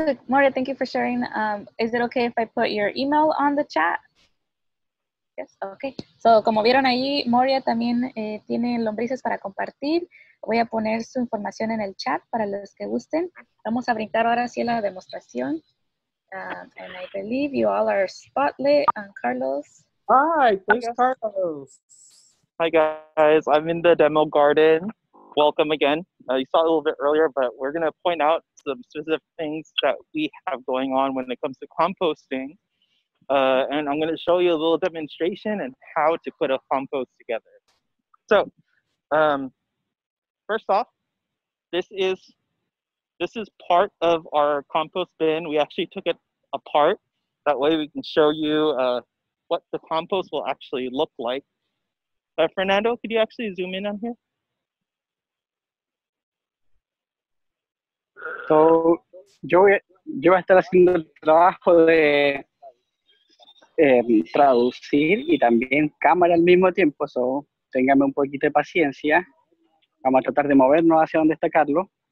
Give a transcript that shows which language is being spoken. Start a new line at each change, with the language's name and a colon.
English: Sorry, real quick, Moria, thank you for sharing. Is it okay if I put your email on the chat? Yes, okay.
Spanish: So, como vieron ahí, Moria también tiene lombrices para compartir. Voy a poner su información en el chat para los que gusten. Vamos a brindar ahora sí la demostración.
English: And I believe you all are spotlit and Carlos. Hi, thanks, Carlos. Hi, guys. I'm in the demo garden. Welcome again. You saw a little bit earlier, but we're going to point out some specific things that we have going on when it comes to composting. And I'm going to show you a little demonstration and how to put a compost together. So, first off, this is part of our compost bin. We actually took it apart. That way we can show you what the compost will actually look like. Fernando, could you actually zoom in on here?
Spanish: So, yo voy a estar haciendo el trabajo de traducir y también cámara al mismo tiempo, so téngame un poquito de paciencia. Vamos a tratar de movernos hacia donde está Carlos.